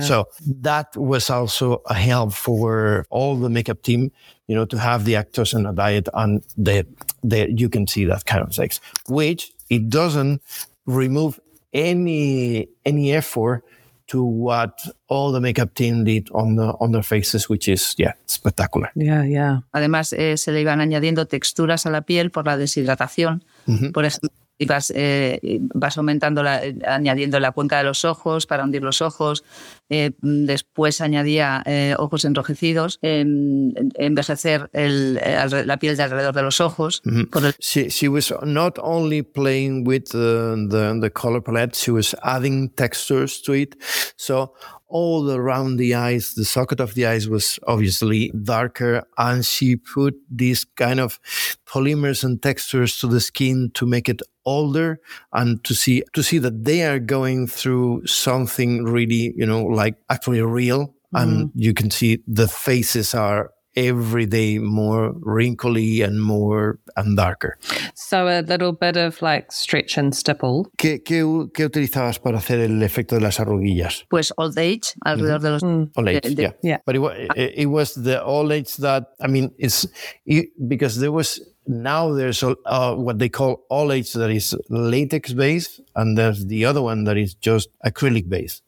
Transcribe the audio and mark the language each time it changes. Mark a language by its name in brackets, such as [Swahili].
[English] So that was also a help for all the makeup team, you know, to have the actors on a diet and they you can see that kind of sex, which it doesn't remove any effort to what all the makeup team did on their faces, which is, yeah, spectacular. Yeah, yeah. [Spanish] Además, se le iban añadiendo texturas a la piel por la deshidratación. Mm-hmm. Por ejemplo, y vas aumentando, añadiendo la cuenca de los ojos para hundir los ojos. Después añadía ojos enrojecidos, envejecer la piel de alrededor de los ojos. Mm-hmm. [English] She was not only playing with the color palette, she was adding textures to it. So all around the eyes, the socket of the eyes was obviously darker, and she put these kind of polymers and textures to the skin to make it older and to see that they are going through something really, you know, like actually real. Mm-hmm. And you can see the faces are every day more wrinkly and more and darker. So a little bit of like stretch and stipple. [Spanish] ¿Qué utilizabas para hacer el efecto de las arruguillas? Pues old age, alrededor mm-hmm. de los... [English] Mm. Old age, yeah. But it was the old age that, I mean, because there was... Now there's what they call all age that is latex base, and there's the other one that is just acrylic base.